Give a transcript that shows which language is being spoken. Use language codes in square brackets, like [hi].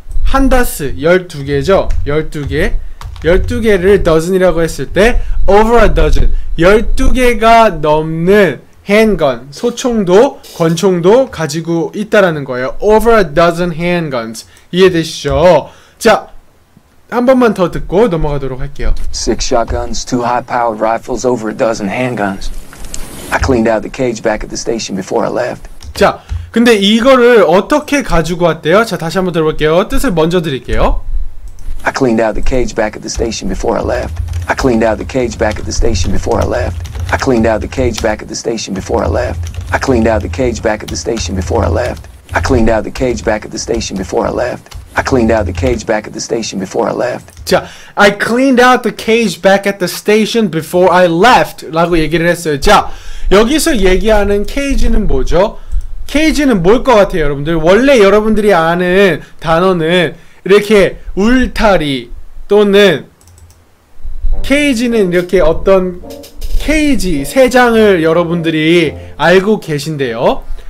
[ko] 한 다스, 12개죠? 12개. 12개를 dozen이라고 했을 때 [en] Over a dozen. [ko] 12개가 넘는 handgun. 소총도, 권총도 가지고 있다라는 거예요. [en] Over a dozen handguns. [ko] 이해되시죠? 자, 한 번만 더 듣고 넘어가도록 할게요. [en] Six shotguns, two high-powered rifles, over a dozen handguns. I cleaned out the cage back at the station before I left. [ko] 자, 근데 이거를 어떻게 가지고 왔대요? 자, 다시 한번 들어볼게요. 뜻을 먼저 드릴게요. [en] I cleaned out the cage back at the station before I left. I cleaned out the cage back at the station before I left. I cleaned out the cage back at the station before I left. I cleaned out the cage back at the station before I left. I cleaned out the cage back at the station before I left. I cleaned out the cage back at the station before I left. 자, I cleaned out the cage back at the station before I left. [ko] 라고 얘기를 했어요. 자, 여기서 얘기하는 케이지는 뭐죠? 케이지는 뭘 것 같아요, 여러분들? 원래 여러분들이 아는 단어는 이렇게 울타리 또는 케이지는 이렇게 어떤 케이지, 새장을 여러분들이 알고 계신데요.